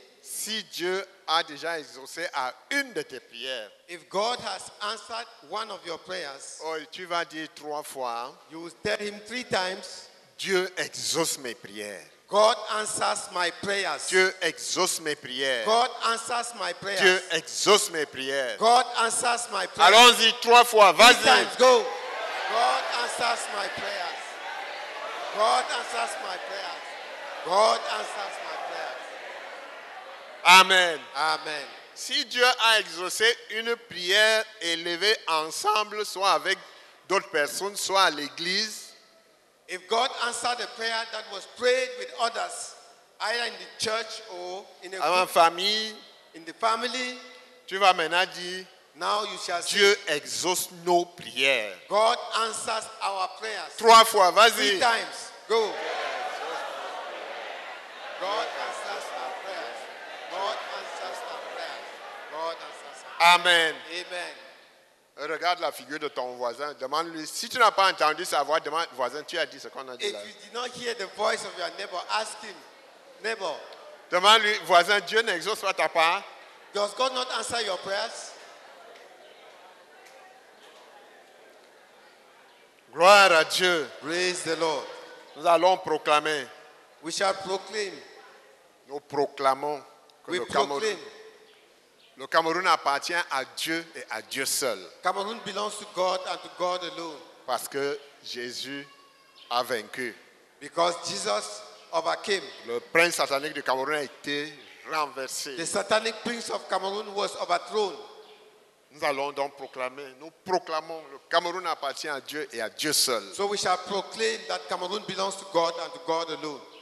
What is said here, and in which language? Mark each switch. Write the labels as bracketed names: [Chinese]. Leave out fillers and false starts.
[French] Si Dieu a déjà exaucé à une de tes prières. [English] If God has answered one of your prayers. [French] Oh, tu vas dire trois fois. [English] You will tell him three times. [French] Dieu exauce mes prières. [English] God answers my prayers. [French] Dieu exauce mes prières. [English] God answers my prayers. [French] Dieu exauce mes prières. [English] God answers my prayers. [French] Allons-y trois fois. Vas-y. [English] Three times, go. God answers my prayers. God answers my prayers. God answers my prayers. Amen. Amen. [French] Si Dieu a exaucé une prière élevée ensemble, soit avec d'autres personnes, soit à l'église. [English] If God answered a prayer that was prayed with others, either in the church or in a [French] group, famille, [English] in the family, [French] tu vas maintenant dire, [English] now you shall say, [French] Dieu exauce nos prières. [English] God answers our prayers. [French] Trois fois, vas-y. [English] Three times, go. God answers our prayers. God answers our prayers. God answers our prayers. Amen. Amen. [French] Regarde la figure de ton voisin. Demande-lui, si tu n'as pas entendu sa voix, demande au voisin, tu as dit ce qu'on a dit là. [English] If you did not hear the voice of your neighbor, ask him, neighbor. [French] Demande-lui, voisin, Dieu n'exauce pas ta part. [English] Does God not answer your prayers? [French] Gloire à Dieu. [English] Praise the Lord. [French] Nous allons proclamer. [English] We shall proclaim. [French] Nous proclamons que [English] we [French] le Cameroun. Le Cameroun appartient à Dieu et à Dieu seul. [English] Cameroon belongs to God and to God alone. [French] Parce que Jésus a vaincu. [English] Because Jesus overcame. [French] Le prince satanique du Cameroun a été renversé. [English] The satanic prince of Cameroon was overthrown. [French] Nous allons donc proclamer, nous proclamons le Cameroun appartient à Dieu et à Dieu seul. [English] So we shall proclaim that Cameroon belongs to God and to God alone.